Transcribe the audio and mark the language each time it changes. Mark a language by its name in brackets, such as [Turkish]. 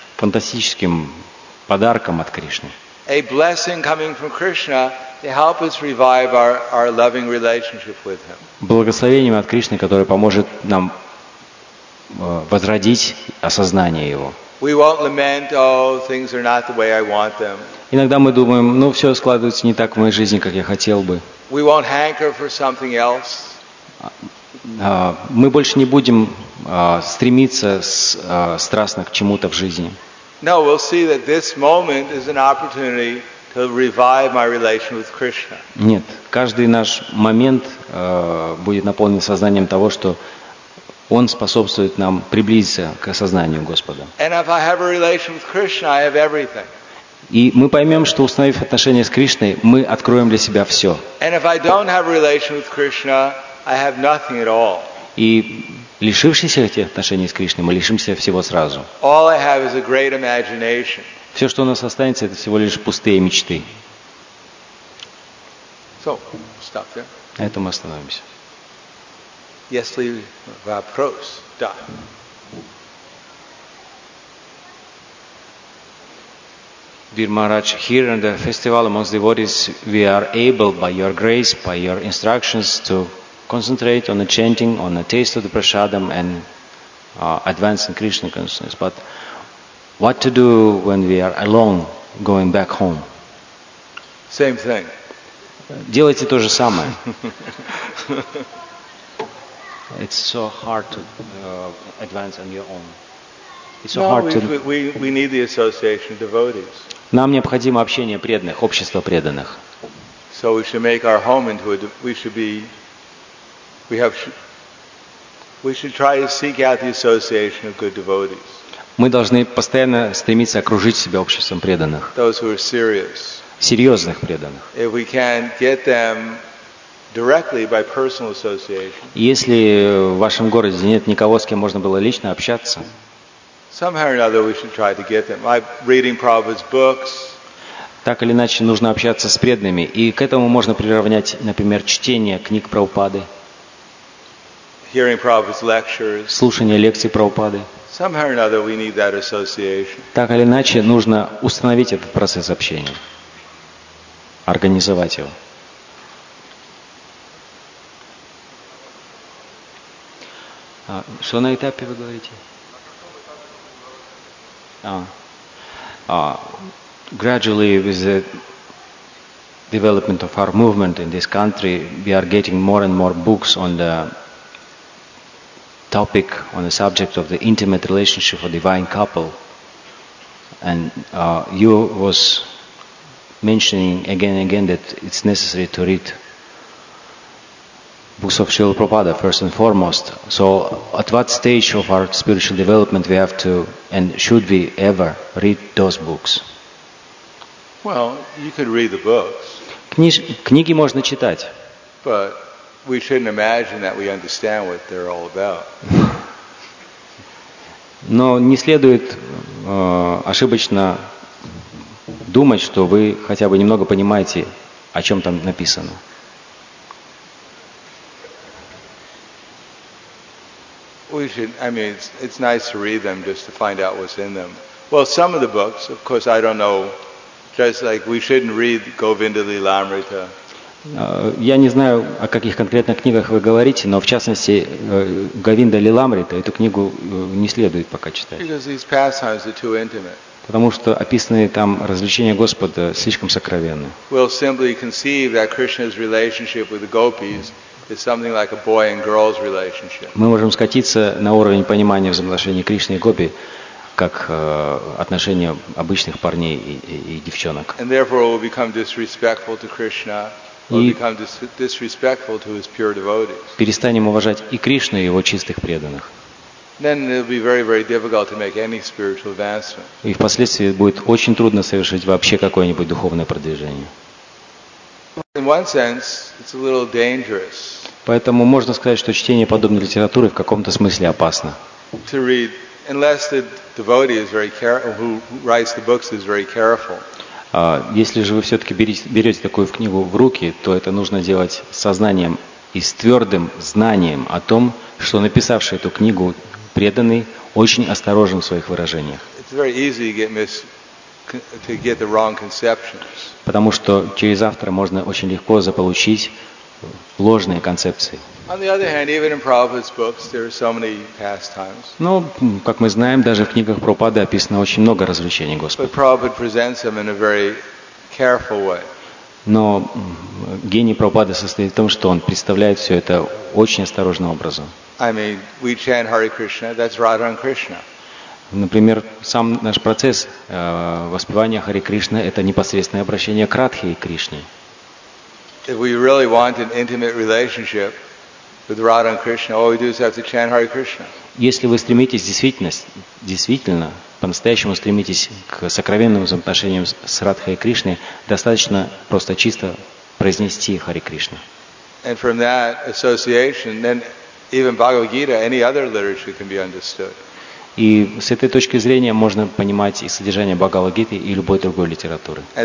[Russian] Фантастическим подарком от Кришны. [English] A blessing coming from Krishna to help us revive our loving relationship with Him. [Russian] Благословением от Кришны, которое поможет нам возродить осознание Его. [English] We won't lament, oh, things are not the way I want them. [Russian] Иногда мы думаем, ну все складывается не так в моей жизни, как я хотел бы. [English] We won't hanker for something else. [Russian] Мы больше не будем стремиться страстно к чему-то в жизни. [English] No, we'll see that this moment is an opportunity to revive my relation with Krishna. [Russian] Нет, каждый наш момент будет наполнен сознанием того, что он способствует нам приблизиться к осознанию Господа. [English] And if I have a relation with Krishna, I have everything. [Russian] И мы поймем, что установив отношения с Кришной, мы откроем для себя все. [English] And if I don't have a relation with Krishna, I have nothing at all. [Russian] И лишившись этих отношений с Кришной, мы лишимся всего сразу. [English] All I have is a great imagination. [Russian] Все, что у нас останется, это всего лишь пустые мечты. [English] So, stop there. [Russian] На этом мы остановимся. Если вопрос, да. Mm-hmm. [English] Dear Maharaj, here in the festival amongst devotees, we are able, by your grace, by your instructions, to concentrate on the chanting, on the taste of the prasadam, and advance in Krishna consciousness. But what to do when we are alone, going back home? Same thing. [Russian] Делайте то же самое. [English] It's so hard to advance on your own. It's so hard to. We need the association of devotees. [Russian] Нам необходимо общение преданных, общество преданных. [English] So we should make our home into a. We should be. We have. We should try to seek out the association of good devotees. [Russian] Мы должны постоянно стремиться окружить себя обществом преданных. [English] Those who are serious. [Russian] Серьезных преданных. [English] If we can get them directly by personal association. [Russian] Если в вашем городе нет никого, с кем можно было лично общаться. [English] Somehow or another, we should try to get them. I'm reading Prabhupada's books. [Russian] Так или иначе, нужно общаться с преданными, и к этому можно приравнять, например, чтение книг Прабхупады. [English] Hearing Prabhupada's lectures. [Russian] Слушание лекций Прабхупады. [English] Somehow or another, we need that association. [Russian] Так или иначе, нужно установить этот процесс общения, организовать его. Что на этапе вы говорите? [English] Gradually, with the development of our movement in this country, we are getting more and more books on the topic, on the subject of the intimate relationship of divine couple. And you was mentioning again and again that it's necessary to read books of Srila Prabhupada first and foremost. So at what stage of our spiritual development we have to and should we ever read those books? Well, you could read the books. [Russian] Книги можно читать. [English] But we shouldn't imagine that we understand what they're all about. [Russian] Но не следует ошибочно думать, что вы хотя бы немного понимаете, о чем там написано. [English] We should. I mean, it's nice to read them just to find out what's in them. Well, some of the books, of course, I don't know. Just like we shouldn't read Govinda Lilamrita. [Russian] Я не знаю, о каких конкретных книгах вы говорите, но в частности Говинда Лиламрита эту книгу не следует пока читать. [English] Because these pastimes are too intimate. [Russian] Потому что описанные там развлечения Господа слишком сокровенны. [English] We'll simply conceive that Krishna's relationship with the gopis. It's something like a boy and girl's relationship. [Russian] Мы можем скатиться на уровень понимания взаимоотношений Кришны и Гопи, как отношения обычных парней и девчонок. [English] And therefore we'll become disrespectful to Krishna. We'll become disrespectful to his pure devotees. [Russian] Перестанем уважать и Кришну, и его чистых преданных. [English] Then it'll be very, very difficult to make any spiritual advancement. [Russian] И впоследствии будет очень трудно совершить вообще какое-нибудь духовное продвижение. [English] In one sense, it's a little dangerous. [Russian] Поэтому можно сказать, что чтение подобной литературы в каком-то смысле опасно. [English] To read, unless the devotee is very careful, who writes the books is very careful. [Russian] Если же вы все-таки берете такую книгу в руки, то это нужно делать с сознанием и с твердым знанием о том, что написавший эту книгу преданный очень осторожен в своих выражениях. [English] It's very easy to get to get the wrong conceptions. [Russian] Потому что через автора можно очень легко заполучить ложные концепции. [English] On the other hand, even in Prabhupada's books, there are so many pastimes. [Russian] Ну, как мы знаем, даже в книгах Прабхупады описано очень много развлечений Господа. [English] But Prabhupada presents them in a very careful way. [Russian] Но гений Прабхупады состоит в том, что он представляет все это очень осторожным образом. [English] I mean, we chant Hare Krishna, that's Radharan Krishna. [Russian] Например, сам наш процесс воспевания Хари Кришны – это непосредственное обращение к Радхе и Кришне. [English] If we really want an intimate relationship with Radha and Krishna, all we do is have to chant Hare Krishna. [Russian] Если вы стремитесь действительно по-настоящему стремитесь к сокровенным взаимоотношениям с Радхой и Кришной, достаточно просто чисто произнести Хари Кришна. [English] And from that association, then even Bhagavad Gita, any other literature can be understood. [Russian] И с этой точки зрения можно понимать и содержание Бхагавад-гиты, и любой другой литературы.